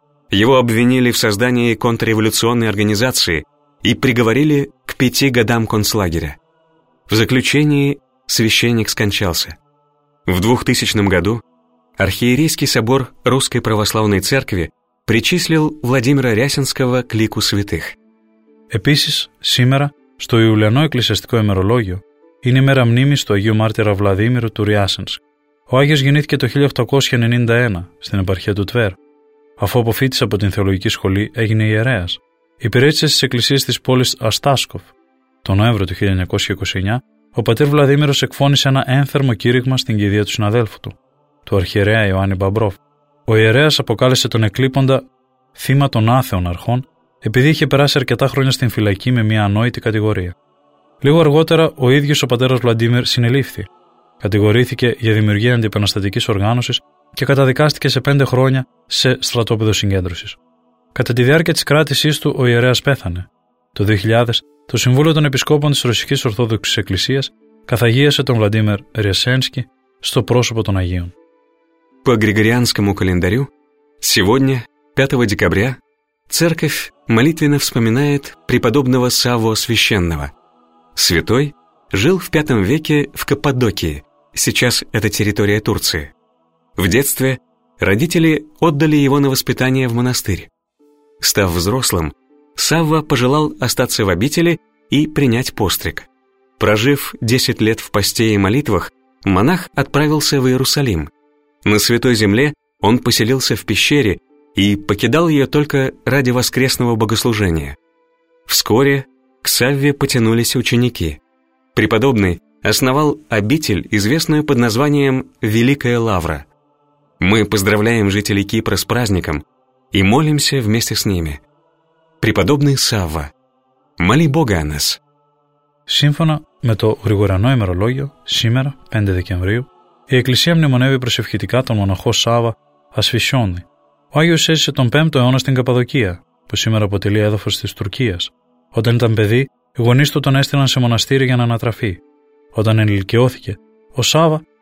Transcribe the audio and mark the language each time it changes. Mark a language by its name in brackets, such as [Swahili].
[Russian] Его обвинили в создании контрреволюционной организации и приговорили к 5 годам концлагеря. В заключении священник скончался. В 2000 году архиерейский собор Русской Православной Церкви причислил Владимира Рясинского к лику святых. [Greek] Επίσης, σήμερα, στο Ιουλιανό Εκκλησιαστικό Ημερολόγιο, είναι η μέρα μνήμης του Αγίου Μάρτυρα Βλαδίμηρου του Ριάσινσκ. Ο Άγιος γεννήθηκε το 1891 στην επαρχία του Τβέρ. Αφού αποφύτησε από την θεολογική σχολή, έγινε ιερέας. Υπηρέτησε στις εκκλησίες της πόλης Αστάσκοφ. Τον Νοέμβριο του 1929, ο πατήρ Βλαδίμηρος εκφώνησε ένα ένθερμο κήρυγμα στην κηδεία του συναδέλφου του, του αρχιερέα Ιωάννη Μπαμπρόφ. Ο ιερέας αποκάλεσε τον εκλείποντα θύμα των άθεων αρχών, επειδή είχε περάσει αρκετά χρόνια στην φυλακή με μια ανόητη κατηγορία. Λίγο αργότερα, ο ίδιος ο πατέρας Βλαντίμιρ συνελήφθη. Κατηγορήθηκε για δημιουργία αντιπαναστατικής οργάνωσης και καταδικάστηκε σε 5 χρόνια σε στρατόπεδο συγκέντρωσης. Κατά τη διάρκεια της κράτησής του, ο ιερέας πέθανε. Το 2000, το Συμβούλιο των Επισκόπων της Ρωσικής Ορθόδοξης Εκκλησίας καθαγίασε τον Βλαντίμιρ Ρεσένσκι στο πρόσωπο των Αγίων. [Russian] По Григорианскому календарю сегодня, 5 декабря, церковь молитвенно вспоминает преподобного Савву Священного. Святой жил в V веке в Каппадокии, сейчас это территория Турции. В детстве родители отдали его на воспитание в монастырь. Став взрослым, Савва пожелал остаться в обители и принять постриг. Прожив 10 лет в посте и молитвах, монах отправился в Иерусалим. На Святой Земле он поселился в пещере и покидал ее только ради воскресного богослужения. Вскоре к Савве потянулись ученики. Преподобный основал обитель, известную под названием Великая Лавра. Мы поздравляем жителей Кипра с праздником и молимся вместе с ними. Преподобный Савва, моли Бога о нас. [Greek] Σύμφωνα με το Γρηγοριανό ημερολόγιο, σήμερα, 5 Δεκεμβρίου, η Εκκλησία μνημονεύει προσευχητικά τον μοναχό Σάββα Ασφισιόνι. Ο Άγιος έζησε τον 5ο αιώνα στην Καπαδοκία, που σήμερα αποτελεί έδαφος της Τουρκίας. Όταν ήταν παιδί, οι γονείς του τον έστειλαν σε μοναστήρι για να ανατραφεί. Όταν ενηλικιώθηκε, ο Σάββα